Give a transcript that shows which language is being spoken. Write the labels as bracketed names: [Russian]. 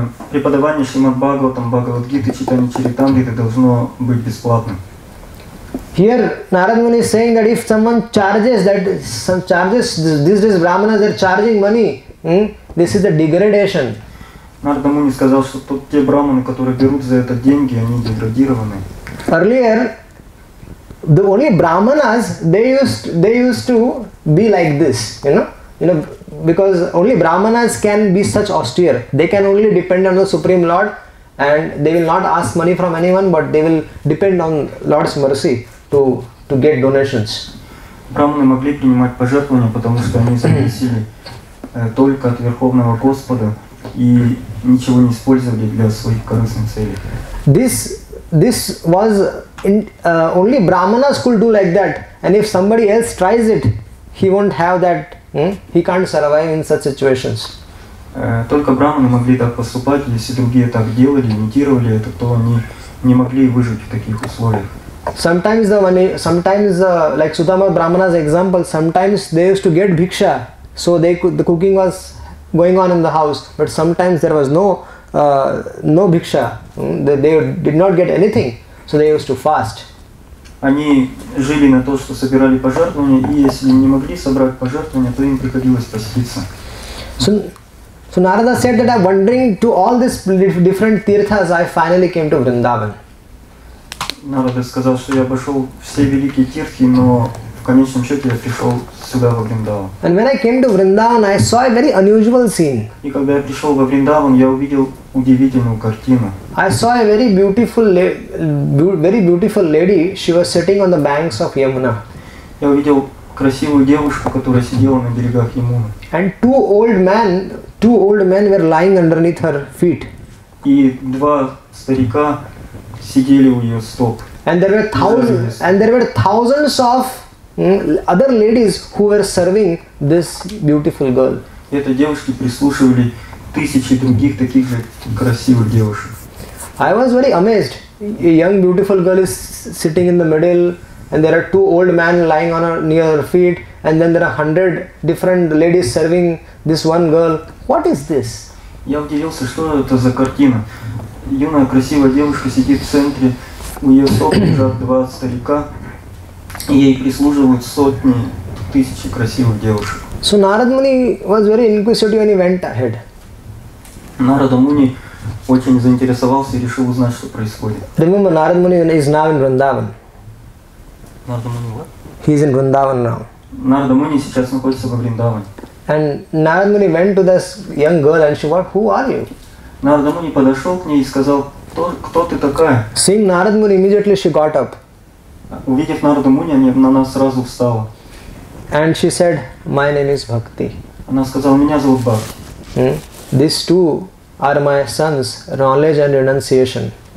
[Russian] Преподавание Шримад Бхагаватам, Бхагавад Гиты, читание Чаритамриты должно быть бесплатным. [English] Here Narad Muni is saying that if someone charges these days brahmanas are charging money, this is a degradation. [Russian] Narad Muni сказал, что те брахманы, которые берут за это деньги, они деградированы. [English] Earlier the only brahmanas they used to be like this, you know, you know, because only Brahmanas can be such austere. They can only depend on the Supreme Lord, and they will not ask money from anyone, but they will depend on Lord's mercy to get donations. [Russian] Брахманы могли принимать пожертвования, потому что они зависели только от Верховного Господа и ничего не использовали для своих корыстных целей. [English] This was in, only Brahmanas could do like that, and if somebody else tries it, he won't have that. He can't survive in such situations. [Russian] Только брахманы могли так поступать, если другие так делали, имитировали это, то они не могли выжить в таких условиях. [English] Sometimes, like Sudama Brahmana's example, sometimes they used to get bhiksha, so the cooking was going on in the house, but sometimes there was no bhiksha. They did not get anything, so they used to fast. [Russian] Они жили на то, что собирали пожертвования, и если не могли собрать пожертвования, то им приходилось поститься. [English] So Narada said that I'm wandering to all these different tirthas, I finally came to Vrindavan. [Russian] Narada сказал, что я обошел все великие тирхи, но в конечном счете я пришел сюда, во Вриндаван. [English] And when I came to Vrindavan, I saw a very unusual scene. [Russian] И когда я пришел во Вриндаван, я увидел удивительную картину. [English] I saw a very beautiful lady, she was sitting on the banks of Yamuna. [Russian] Я увидел красивую девушку, которая сидела на берегах Ямуны. [English] And two old men were lying underneath her feet. [Russian] И два старика сидели у её стоп. [English] And there were thousands of other ladies who were serving this beautiful girl. [Russian] Этой девушке прислушивали тысячи других таких же красивых девушек. [English] I was very amazed. A young beautiful girl is sitting in the middle, and there are two old men lying on her near her feet, and then there are 100 different ladies serving this one girl. What is this? [Russian] Я удивился, что это за картина. Юная красивая девушка сидит в центре, у ее стоп лежат два старика, и ей прислуживают сотни, тысячи красивых девушек. [English] So Narad Muni was very inquisitive and he went ahead. [Russian] Narada Muni очень заинтересовался и решил узнать, что происходит. [English] Remember, Narad Muni is now in Vrindavan. Narada Muni what? He is in Vrindavan now. [Russian] Narada Muni сейчас находится во Вриндаване. [English] And Narada Muni went to this young girl and she said, who are you? [Russian] Narada Muni подошел к ней и сказал, кто ты такая? [English] Seeing Narada Muni, immediately she got up. [Russian] Увидев Narada Muni, она сразу встала. [English] And she said, my name is Bhakti. [Russian] Она сказала, меня зовут Бхакти. [English] These two are my sons, knowledge and renunciation.